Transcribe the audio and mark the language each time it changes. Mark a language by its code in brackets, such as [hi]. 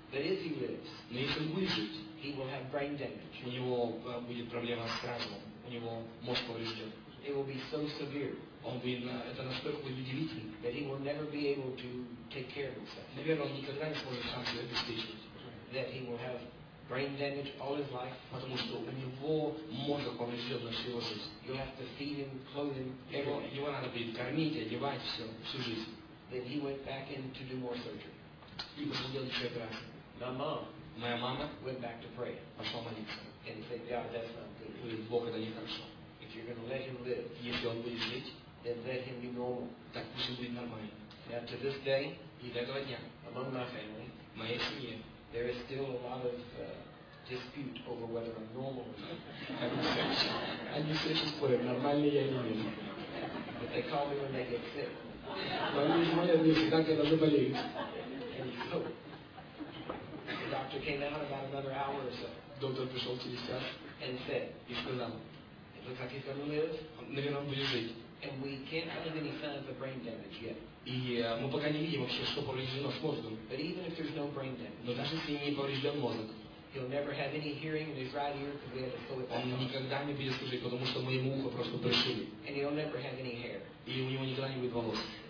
[en] But if he lives, [ru] но если он будет жить, [en] he will have brain damage. [ru] У него будет проблема с разумом. У него мозг поврежден. [en] It will be so severe. [ru] Он будет, это настолько будет удивительно. [en] That he will never be able to take care of himself. [ru] Наверное, он никогда не сможет сам себя обеспечить. [en] That he will have brain damage all his life. [ru] Потому что у него мозг поврежден на всю жизнь. [en] You have to feed him, clothe him. [ru] Его надо будет кормить, одевать все, всю жизнь. [en] Then he went back in to do more surgery. [ru] И пошел делать еще операцию. [en] My mom. [ru] Моя мама. [en] Went back to pray. [ru] Пошла молиться. [en] And said, God, that's not good. [ru] Говорит, Бог, это нехорошо. [en] If you're going to let him live, [ru] если он будет жить, [en] then let him be normal. [ru] Так пусть он будет нормальный. [en] Now to this day, [ru] И до этого дня. [en] Among my family, [ru] моей семье, [en] there is still a lot of dispute over whether I'm normal or not. And you say she's quite normally anyway. But they call me when they get sick. And he the doctor came out about another hour or so. [ru] Доктор пришел через час. [en] And said, [ru] и сказал, [en] it looks like he's going to live. [ru] Наверное, он будет жить. [en] And we can't find any signs of brain damage yet. [ru] И мы пока не видим вообще, что повреждено с мозгом. [en] But even if there's no brain damage, [ru] но даже если не поврежден мозг, [en] he'll never have any hearing in his right ear because we had to pull it back. [ru] Он никогда не будет слышать, потому что мы ему ухо просто пришили. [en] And he'll never have any hair. И у него никогда не будет волос.